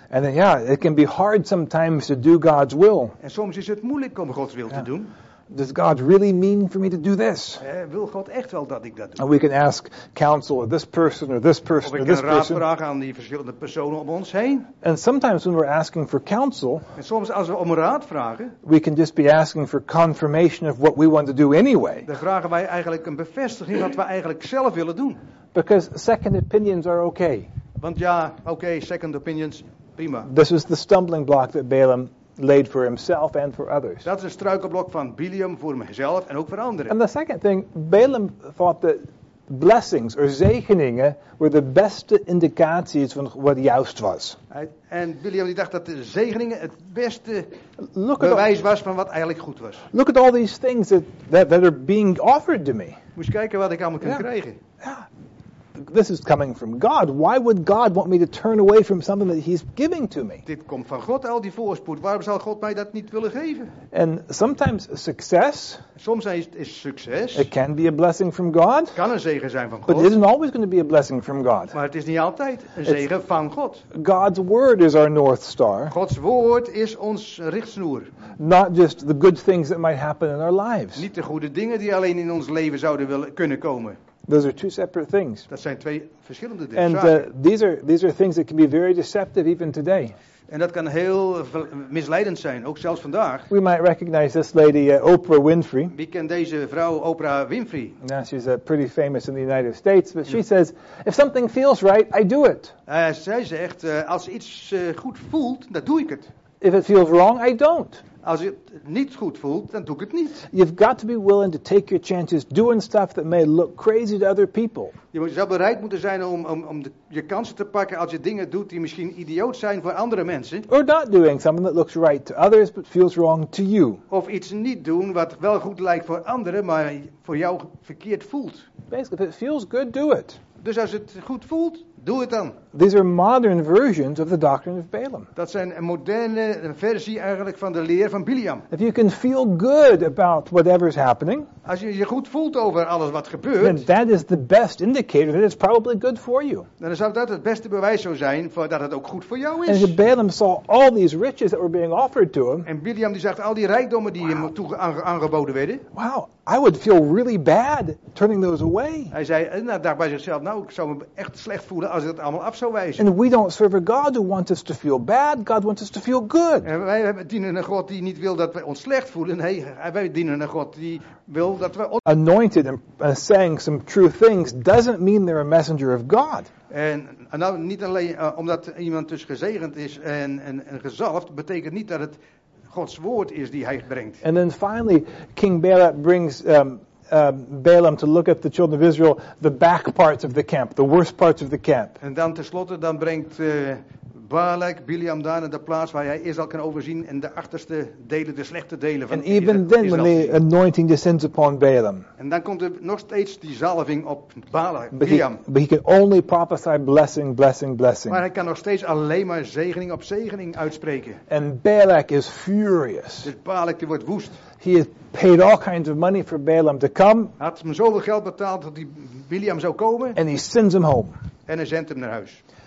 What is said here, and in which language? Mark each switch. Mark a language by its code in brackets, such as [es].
[en] And then, yeah, it can be hard sometimes to do God's will. [nl] En soms is het moeilijk om Gods wil te doen. [en] Does God really mean for me to do this? [nl] Wil God echt wel dat ik dat doe? [en] And we can ask counsel of this person or this person or this person. [nl] Of ik kan raad vragen aan die verschillende personen om ons heen. [en] And sometimes when we're asking for counsel. [nl] En soms als we om raad vragen. [en] We can just be asking for confirmation of what we want to do anyway. [nl] Dan vragen wij eigenlijk een bevestiging wat we eigenlijk zelf willen doen. [en] Because second opinions are okay. [nl] Want ja, okay, second opinions, prima. [en] This is the stumbling block that Balaam laid for himself and for others. [nl] Dat is een struikelblok van Bileam voor mezelf en ook voor anderen. [en] And the second thing, Balaam thought that blessings or zegeningen were the [nl] beste indicaties van wat juist was. En Bileam die dacht dat de zegeningen het beste bewijs was van wat eigenlijk goed was. [en] Look at all these things that are being offered to me. [nl] Moest kijken wat ik allemaal kan krijgen. [en] Yeah. This is coming from God. Why would God want me to turn away from something that he's giving to me? [nl] Dit komt van God, al die voorspoed. Waarom zal God mij dat niet willen geven? [en] And sometimes success. [nl] Soms is succes. [en] It can be a blessing from God. [nl] Kan een zegen zijn van God. [en] But it isn't always going to be a blessing from God. [nl] Maar het is niet altijd een zegen van God. [en] God's word is our north star. [nl] Gods woord is ons richtsnoer. [en] Not just the good things that might happen in our lives. [nl] Niet de goede dingen die alleen in ons leven zouden kunnen komen. [en] Those are two separate things. [nl] Dat zijn twee verschillende dingen. [en] And these are things that can be very deceptive even today. [nl] En dat kan heel misleidend zijn, ook zelfs vandaag. [en] We might recognize this lady, Oprah Winfrey. [nl] Wie kent deze vrouw, Oprah Winfrey? [en] Now she's pretty famous in the United States, but she says, if something feels right, I do it. [nl] Zij zegt, als iets goed voelt, dan doe ik het. [en] If it feels wrong, I don't. [nl] Als je het niet goed voelt, dan doe ik het niet. [en] You've got to be willing to take your chances doing stuff that may look crazy to other people. [nl] Je moet zelf bereid moeten zijn om je kansen te pakken als je dingen doet die misschien idioot zijn voor andere mensen. [en] Or not doing something that looks right to others but feels wrong to you. [nl] Of iets niet doen wat wel goed lijkt voor anderen, maar voor jou verkeerd voelt. [en] Basically, if it feels good, do it. [nl] Dus als het goed voelt, doe het dan. [en] These are modern versions of the doctrine of Balaam. [nl] Dat zijn een moderne versie eigenlijk van de leer van Bileam. [en] If you can feel good about whatever's happening, [nl] als je je goed voelt over alles wat gebeurt, [en] then that is the best indicator that it's probably good for you. [nl] Dan zou dat het beste bewijs zo zijn voor dat het ook goed voor jou is. [en] And Balaam saw all these riches that were being offered to him. [nl] En Bileam die zag al die rijkdommen die hem aangeboden werden. [en] Wow, I would feel really bad turning those away. [nl] Hij zei, nou, dacht bij zichzelf, nou, ik zou me echt slecht voelen als ik dat allemaal af zou wijzen. [en] And we don't serve a God who wants us to feel bad. God wants us to feel good. [nl] En wij dienen een God die niet wil dat wij ons slecht voelen. Nee, wij dienen een God die wil dat wij [en] anointed and saying some true things doesn't mean they're a messenger of God. [nl] En nou, niet alleen omdat iemand dus gezegend is en gezalfd, betekent niet dat het Gods woord is die hij brengt. [en] And then finally, King Balaam brings Balaam to look at the children of Israel, the back parts of the camp, the worst parts of the camp. [nl] En dan tenslotte dan brengt Balak Bileam daar naar de plaats waar hij Israël kan overzien en de achterste delen, de slechte delen van Israël. [en] And even then, when the anointing descends upon Balaam. [nl] En dan komt er nog steeds die zalving op Balak Bileam. [en] But he can only prophesy blessing, blessing, blessing. [nl] Maar hij kan nog steeds alleen maar zegening op zegening uitspreken. [en] And Balak is furious. [nl] Dus Balak die wordt woest. [en] He has paid all kinds of money for Balaam to come. [nl] Hij had hem zoveel geld betaald dat die Bileam zou komen. [en] And he sends him home. [nl] En hij zendt hem naar huis.